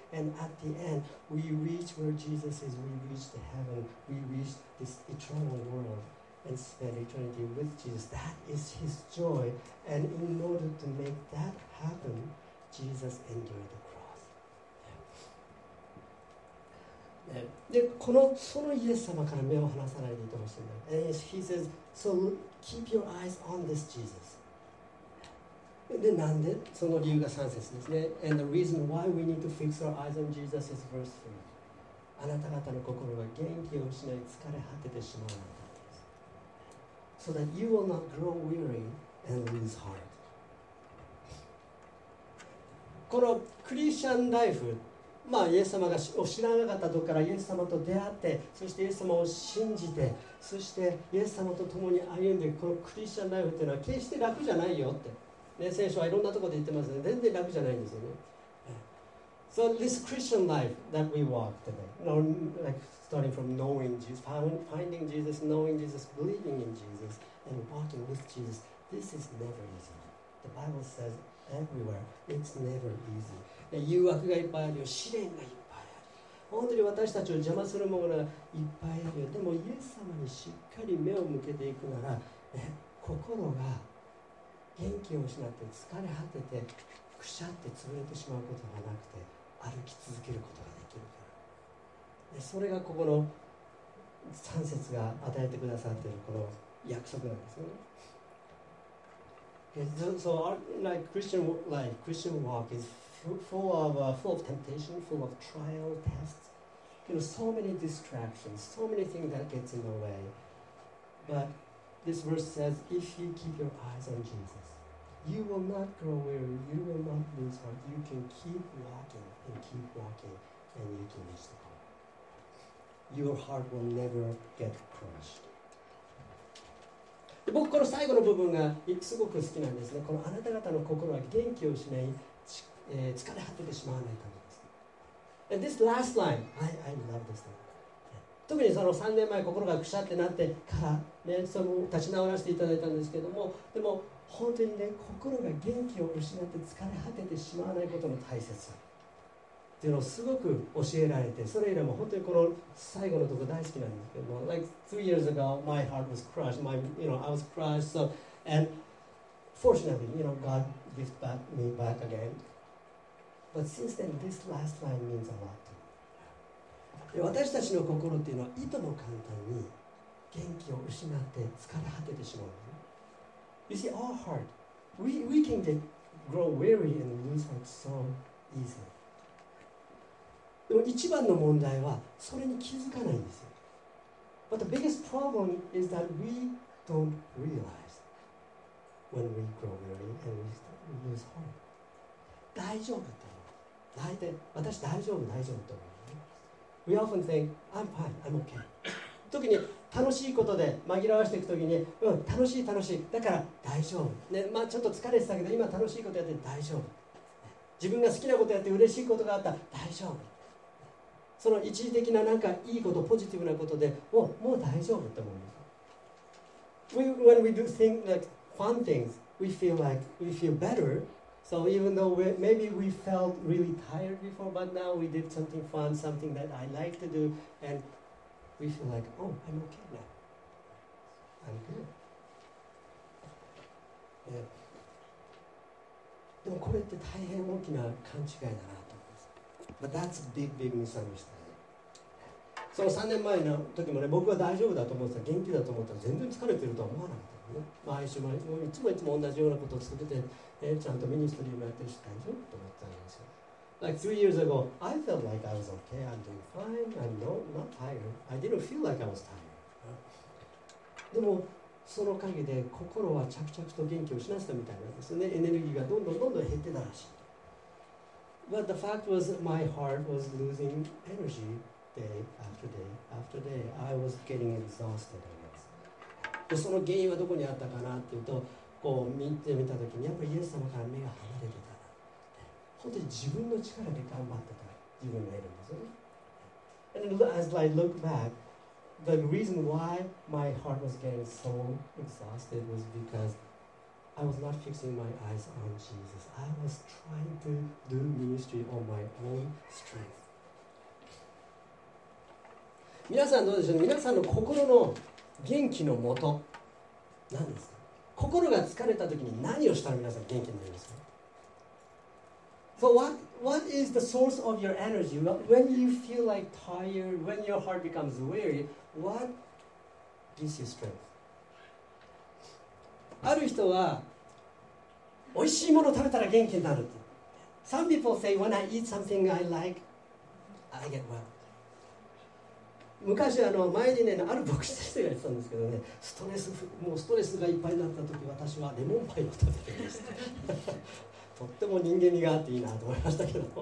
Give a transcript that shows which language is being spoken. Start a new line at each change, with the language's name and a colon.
English: And at the end, we reach where Jesus is. We reach the heaven. We reach this eternal world and spend eternity with Jesus. That is his joy. And in order to make that happen, Jesus endured the cross.
Japanese: で、この、そのイエス様から目を離さないでいてほしいんだ。
English: And he says, so look,Keep your eyes on this Jesus.
Japanese: で、なんで？その理由が3節ですね。
English: And the reason why we need to fix our eyes on Jesus is verse 3.
Japanese: あなた方の心が元気を失い疲れ果ててしまうからです。
English: So that you will not grow weary and lose heart.
Japanese: このクリスチャンライフ、まあ、イエス様を知らなかったところからイエス様と出会って、そしてイエス様を信じて、そしてイエス様と共に歩んでいく、このクリスチャンライフというのは決して楽じゃないよって、ね、聖書はいろんなところで言ってますね。全然楽じゃないんですよね。
English: So this Christian life that we walk today, like starting from knowing Jesus, finding Jesus, knowing Jesus, believing in Jesus and walking with Jesus, this is never easy. The Bible says everywhere it's never easy.
Japanese: 誘惑がいっぱいあるよ、試練がいっぱいある、本当に私たちを邪魔するものがいっぱいあるよ。でもイエス様にしっかり目を向けていくなら、ね、心が元気を失って疲れ果ててくしゃって潰れてしまうことがなくて歩き続けることができるから、でそれがここの3節が与えてくださっているこの約束なんですよね。
English: So our like Christian life, Christian walk is full of temptation, full of trial, tests. You know, so many distractions, so many things that gets in the way. But this verse says, if you keep your eyes on Jesus, you will not grow weary, you will not lose heart. You can keep walking, and you can reach the goal. Your heart will never get crushed.
Japanese: 僕この最後の部分がすごく好きなんですね。このあなた方の心は元気を失い、疲れ果ててしまわないためです。
English: And this last line, I love this line.
Japanese: 特にその3年前心がくしゃってなってから、ね、その立ち直らせていただいたんですけども、でも本当にね、心が元気を失って疲れ果ててしまわないことの大切さっていうのをすごく教えられて、それ以来も本当にこの最後のところ大好きなんですけども、
English: Like 3 years ago, my heart was crushed, I was crushed, so, and fortunately, you know, God lifted me back again. But since then, this last line means a lot to me.
Japanese: 私たちの心っていうのはいとも簡単に元気を失って疲れ果ててしまう。
English: You see, our heart, we can get grow weary and lose heart so easily.
Japanese: でも一番の問題はそれに気づかないんですよ。
English: But the biggest problem is that we don't realize when we grow weary and we lose hope.
Japanese: 大丈夫と思う。大体、私大丈夫、大丈夫と思う。
English: We often think, I'm fine, I'm okay.
Japanese: 特に楽しいことで紛らわしていくときに、うん、楽しい、楽しい。だから大丈夫。ね、まあちょっと疲れてたけど、今楽しいことやって大丈夫。自分が好きなことやって嬉しいことがあったら大丈夫。その一時的な何かいいこと、ポジティブなことで、もう大丈夫って思います。
English: When we do things like fun things, we feel better. So even though maybe we felt really tired before, but now we did something fun, something that I like to do, and we feel like, oh, I'm okay now. I'm good. Yeah.
Japanese: でもこれって大変大きな勘違いだなと思います。
English: But that's a big, big misunderstanding.
Japanese: その3年前の時もね、僕は大丈夫だと思ってた、元気だと思ったら全然疲れてるとは思わなかったね。毎週毎週、いつも同じようなことを続けて、ちゃんとミニストリーもやってるし、大丈夫と思ってたんですよ。
English: Like 3 years ago, I felt like I was okay, I'm doing fine, I'm not tired. I didn't feel like I was tired.
Japanese: でも、その陰で心は着々と元気を失ってたみたいなんですよね。エネルギーがどんどんどんどん減ってたらしい。
English: But the fact was, my heart was losing energy. Day after day after day, I was getting exhausted. I guess.
Japanese: でその原因はどこにあったかなっていうと、こう見てみたときにやっぱりイエス様から目が離れてた。本当に自分の力で頑張ってた自分がいるんですよね。
English: And as I look back, the reason why my heart was getting so exhausted was because I was not fixing my eyes on Jesus. I was trying to do ministry on my own strength.
Japanese: 皆さんどうでしょう、皆さんの心の元気のもと何ですか。心が疲れた時に何をしたら皆さん元気になりますか。
English: So what is the source of your energy? When you feel like tired, when your heart becomes weary, what gives you strength?
Japanese: ある人は美味しいものを食べたら元気になるって。
English: Some people say when I eat something I like, I get well.
Japanese: 昔前にね、ある牧師先生が言ってたんですけどね、ストレスがいっぱいになったとき、私はレモンパイを食べてましたとっても人間味があっていいなと思いましたけど、